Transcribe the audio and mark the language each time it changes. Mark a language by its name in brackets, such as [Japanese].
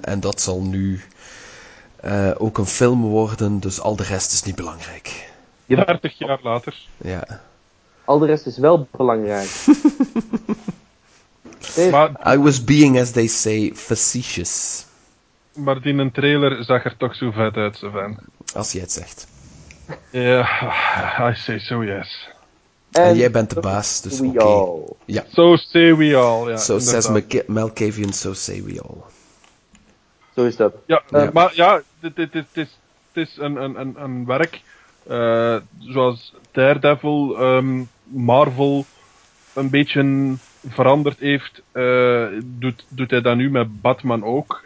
[Dutch] En dat zal nu ook een film worden, dus al de rest is niet belangrijk. 30 jaar later. Ja. Al de rest is wel belangrijk. [English] I was being, as they say, facetious. [Dutch] Maar die een trailer zag er toch zo vet uit, Sven. Als jij het zegt. [English] Ja, yeah, I say so, yes. [Dutch] En jij bent de baas, dus oké. [English] Okay. Ja. So say we all, ja. So says Malkavian, so say we all. [Dutch] Zo is dat. Ja, maar ja, het is een werk. Zoals Daredevil, Marvel een beetje veranderd heeft, doet hij dat nu met Batman ook.